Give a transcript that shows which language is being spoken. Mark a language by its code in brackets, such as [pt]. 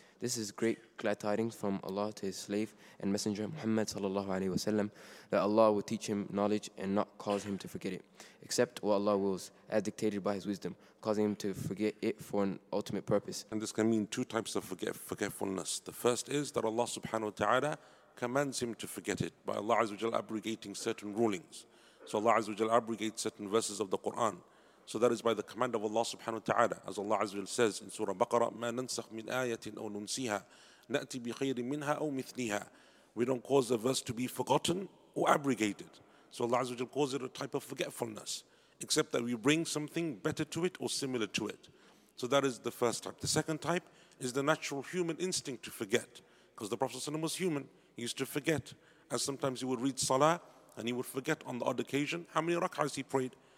[en] This is great glad tidings from Allah to his slave and messenger Muhammad sallallahu alaihi wasallam, that Allah will teach him knowledge and not cause him to forget it, except what Allah wills, as dictated by his wisdom, causing him to forget it for an ultimate purpose. And this can mean two types of forgetfulness. The first is that Allah subhanahu wa ta'ala commands him to forget it by Allah azza wa jalla abrogating certain rulings. So Allah azza wa jalla abrogates certain verses of the Quran. So that is by the command of Allah subhanahu wa ta'ala. As Allah Azza wa Jalla says in Surah Baqarah, [ar] مَا نَنْسَخْ مِنْ آيَةٍ أَوْ نُنْسِيهَا نَأْتِ بِخَيْرٍ مِنْهَا أَوْ مِثْنِيهَا. [en] We don't cause a verse to be forgotten or abrogated. So Allah Azza wa Jalla calls it a type of forgetfulness, except that we bring something better to it or similar to it. So that is the first type. The second type is the natural human instinct to forget. Because the Prophet was human, he used to forget. As sometimes he would read Salah and he would forget on the odd occasion how many rak'ahs he prayed.